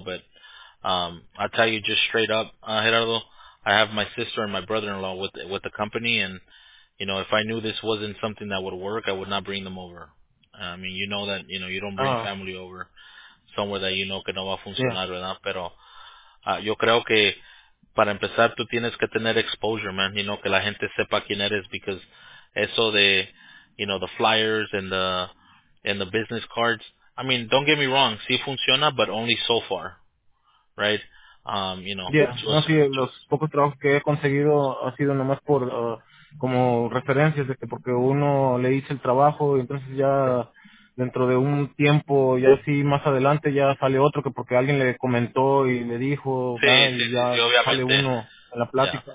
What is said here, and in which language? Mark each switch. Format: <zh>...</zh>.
<en>But I'll tell you just straight up, Gerardo, I have my sister and my brother-in-law with the company. And, you know, if I knew this wasn't something that would work, I would not bring them over. I mean, you know that, you know, you don't bring family over somewhere that you know</en> <es>que no va a funcionar, ¿verdad? Pero yo creo que para empezar tú tienes que tener exposure, man.</es> <en>You know,</en> <es>que la gente sepa quién eres,</es> <en>because</en> <es>eso de,</es> <en>you know, the flyers and the business cards. I mean, don't get me wrong,</en> <es>sí funciona,</es> <en>but only so far, right? You know.</en> <es>Yeah, no, sí, los pocos trabajos que he conseguido ha sido nomás por como referencias, de que porque uno le hice el trabajo y entonces ya dentro de un tiempo, ya sí, más adelante ya sale otro, que porque alguien le comentó y le dijo, sale uno en la plática.</es>